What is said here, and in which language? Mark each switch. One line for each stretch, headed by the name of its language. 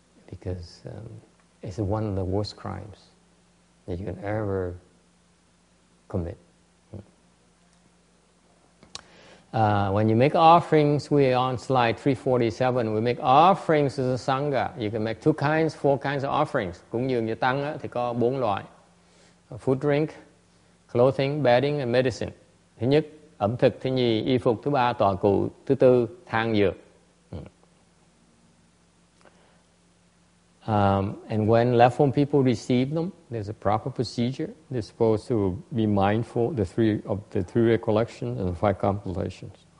English: Because it's one of the worst crimes that you can ever commit. When you make offerings, we are on slide 347. We make offerings as a Sangha. You can make two kinds, four kinds of offerings.
Vietnamese: Cũng như như tăng thì có bốn loại.
English: Food, drink, clothing, bedding, and medicine.
Vietnamese: Thứ nhất, ẩm thực. Thứ nhì, y phục. Thứ ba, tòa cụ. Thứ tư, thang dược.
English: And when left home people receive them, there's a proper procedure. They're supposed to be mindful the three of the three recollections and the five contemplations.